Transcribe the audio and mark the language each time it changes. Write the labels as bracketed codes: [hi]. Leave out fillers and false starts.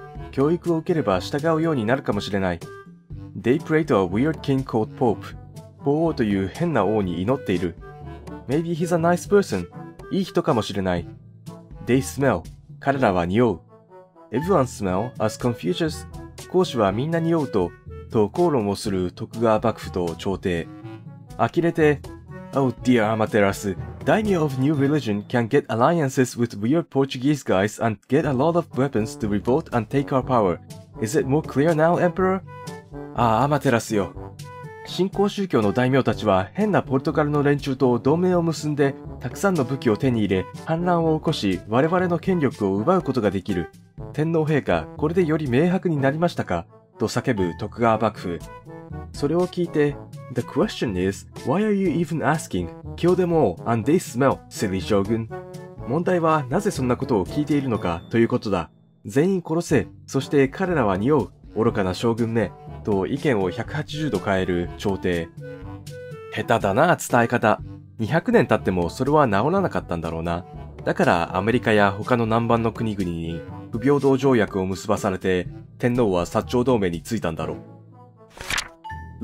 [ja] 教育を受ければ従うようになるかもしれない。 [en] They pray to a weird king called Pope. [ja] 法王という変な王に祈っている。 [en] Maybe he's a nice person. [ja] いい人かもしれない。 [en] They smell. [ja] 彼らは匂う。 [en] Everyone smell as Confucius. [ja] 講師はみんな匂うと、と口論をする徳川幕府と朝廷。呆れて、 [en] Oh dear Amaterasu, daimyo of new religion can get alliances with weird Portuguese guys and get a lot of weapons to revolt and take our power. Is it more clear now, Emperor? [ja] ああ、アマテラスよ。新興宗教の大名たちは変なポルトガルの連中と同盟を結んで、たくさんの武器を手に入れ、反乱を起こし、我々の権力を奪うことができる。天皇陛下、これでより明白になりましたか? と叫ぶ徳川幕府。それを聞いて、 [en] The question is, why are you even asking? Kill them all, and they smell, silly 将軍。 [ja] 問題は、なぜそんなことを聞いているのか、ということだ。全員殺せ、そして彼らは匂う、愚かな将軍め、と意見を180度変える朝廷。下手だな、伝え方。 200年経ってもそれは治らなかったんだろうな。だからアメリカや他の南蛮の国々に不平等条約を結ばされて、天皇は薩長同盟についたんだろう。